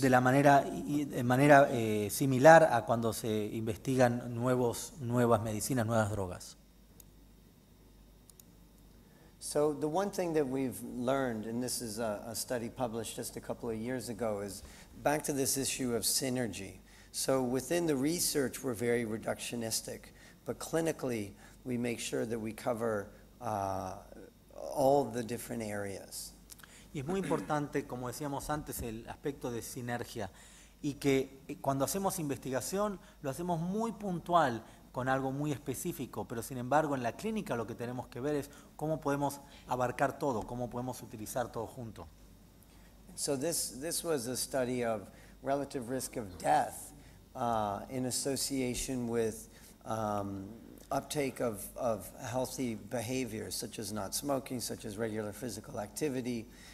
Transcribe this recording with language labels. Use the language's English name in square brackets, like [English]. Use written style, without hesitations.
[Spanish] De manera similar a cuando se investigan nuevas medicinas, nuevas drogas. [English] So the one thing that we've learned, and this is a study published just a couple of years ago, is back to this issue of synergy. So within the research, we're very reductionistic, but clinically, we make sure that we cover all the different areas. [Spanish] Y es muy importante, como decíamos antes, el aspecto de sinergia y que cuando hacemos investigación lo hacemos muy puntual con algo muy específico, pero sin embargo en la clínica lo que tenemos que ver es cómo podemos abarcar todo, cómo podemos utilizar todo junto. [English] So this was a study of relative risk of death in association with uptake of healthy behaviors, such as not smoking, such as regular physical activity.